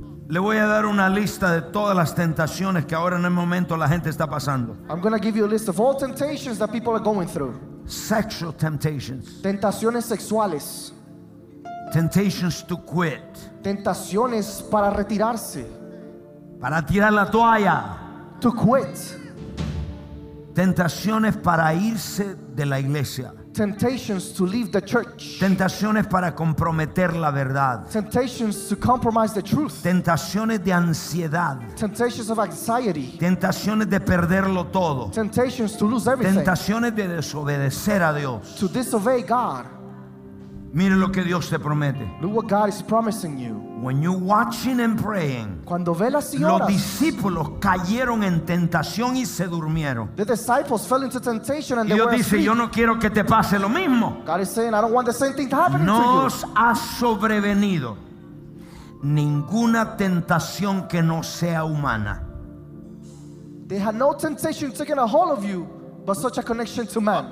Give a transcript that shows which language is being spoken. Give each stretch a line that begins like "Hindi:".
Spanish: Le voy a dar una lista de todas las tentaciones que ahora en el momento la gente está pasando.
English: I'm going to give you a list of all temptations that people are going through. Sexual temptations.
Spanish: Tentaciones sexuales.
English: Temptations to quit.
Spanish: Tentaciones para retirarse. Para tirar la toalla.
English: To quit.
Spanish: Tentaciones para irse de la iglesia.
English: Temptations to leave the church.
Spanish: Tentaciones para comprometer la verdad.
English: Temptations to compromise the truth.
Spanish: Tentaciones de ansiedad.
English: Temptations of anxiety.
Spanish: Tentaciones de perderlo todo.
English: Temptations to lose everything.
Spanish: Tentaciones de desobedecer a Dios.
English: To disobey God.
Spanish: Mire lo que Dios te promete.
English: Look what God is promising you. When you're watching and praying,
Spanish: cuando velas y oras, los discípulos cayeron en tentación y se durmieron.
English: The disciples fell into temptation and they were asleep.
Spanish: Yo no quiero que te pase lo mismo.
English: God is saying, I don't want the same thing to happen to you.
Spanish: Nos ha sobrevenido ninguna tentación que no sea humana.
English: They had no temptation taken a hold of you, but such a connection to man.